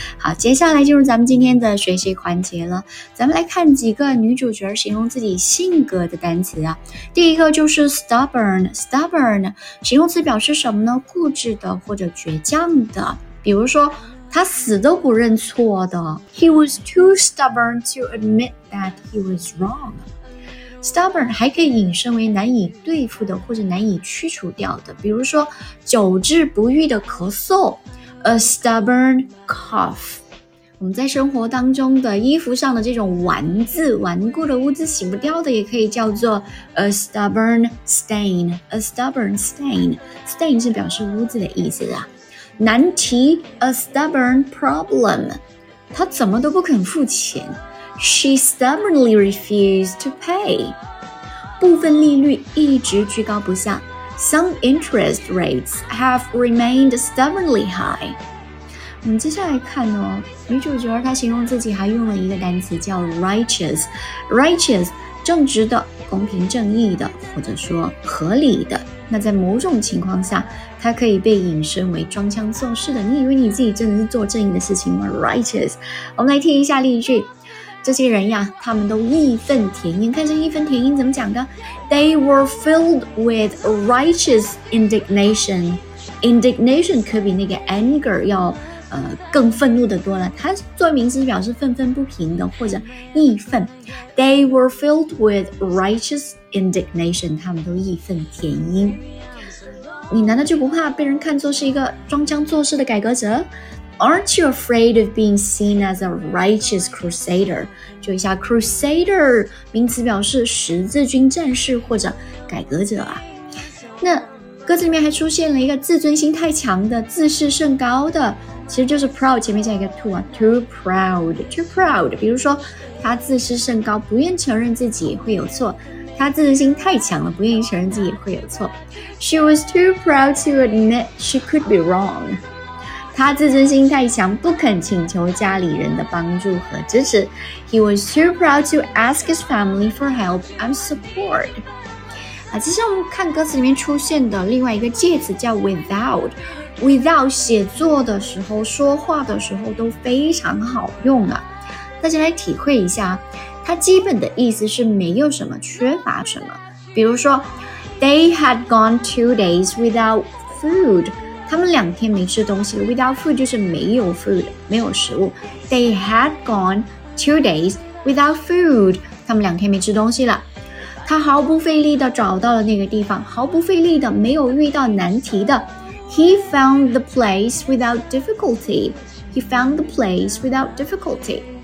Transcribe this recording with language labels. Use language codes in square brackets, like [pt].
[zh] 好，接下来就是咱们今天的学习环节了，咱们来看几个女主角形容自己性格的单词啊。第一个就是 stubborn， stubborn 形容词表示什么呢？固执的或者倔强的，比如说他死都不认错的。 [en] He was too stubborn to admit that he was wrong。 [zh] Stubborn 还可以引申为难以对付的或者难以驱除掉的，比如说久治不愈的咳嗽， [en] A stubborn cough。 [zh] 我们在生活当中的衣服上的这种顽渍顽固的污渍洗不掉的，也可以叫做 [en] A stubborn stain。 A stubborn stain， [zh] stain 是表示污渍的意思啊。难题， [en] A stubborn problem， [zh] 他怎么都不肯付钱。 [en] She stubbornly refused to pay. [zh] 部分利率一直居高不下。 [en] Some interest rates have remained stubbornly high. [zh] 接下来看哦，女主角她形容自己还用了一个单词叫 righteous. Righteous， 正直的，公平正义的，或者说合理的。那在某种情况下，它可以被引申为装腔作势的。你以为你自己真的是做正义的事情吗？ Righteous。 我们来听一下例句。这些人呀，他们都义愤填膺。看这义愤填膺怎么讲的？ [en] They were filled with righteous indignation. [zh] Indignation 可比那个 anger 要更愤怒的多了。它作为名词表示愤愤不平的或者义愤。 [en] They were filled with righteous indignation. [zh] 他们都义愤填膺。你难道就不怕被人看作是一个装腔作势的改革者？ [en] Aren't you afraid of being seen as a righteous crusader? [zh] 注意一下 crusader 名词表示十字军战士或者改革者啊。那歌词里面还出现了一个自尊心太强的、自视甚高的，其实就是 proud 前面加一个 too 啊， too proud， too proud。比如说他自视甚高，不愿承认自己会有错。他自尊心太强了，不愿意承认自己会有错。 [en] She was too proud to admit she could be wrong。 [zh] 他自尊心太强，不肯请求家里人的帮助和支持。 [en] He was too proud to ask his family for help and support. [zh] 啊，其实我们看歌词里面出现的另外一个介词叫 without。 without 写作的时候、说话的时候都非常好用啊。大家来体会一下，它基本的意思是没有什么、缺乏什么。比如说 ， [en] They had gone 2 days without food. [zh] 他们两天没吃东西。 Without food 就是没有 food， 没有食物。 [en] They had gone 2 days without food， [zh] 他们两天没吃东西了。他毫不费力地找到了那个地方，毫不费力地，没有遇到难题的。 [en] He found the place without difficulty. He found the place without difficulty.